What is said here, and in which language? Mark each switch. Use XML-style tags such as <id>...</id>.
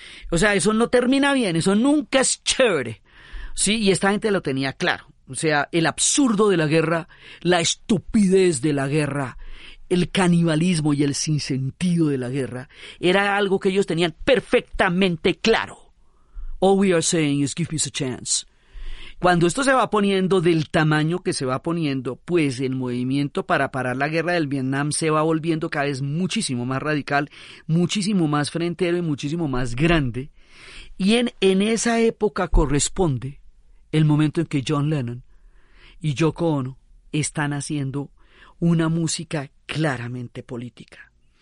<es>O sea, eso no termina bien, eso nunca es chévere. Sí, y esta gente lo tenía claro. O sea, el absurdo de la guerra, la estupidez de la guerra, el canibalismo y el sinsentido de la guerra, era algo que ellos tenían perfectamente claro.</es> <en>All we are saying is give peace a chance.</en> <es>Cuando esto se va poniendo del tamaño que se va poniendo, pues el movimiento para parar la guerra del Vietnam se va volviendo cada vez muchísimo más radical, muchísimo más frentero y muchísimo más grande. Y en esa época corresponde el momento en que John Lennon y Yoko Ono están haciendo una música claramente política.</es>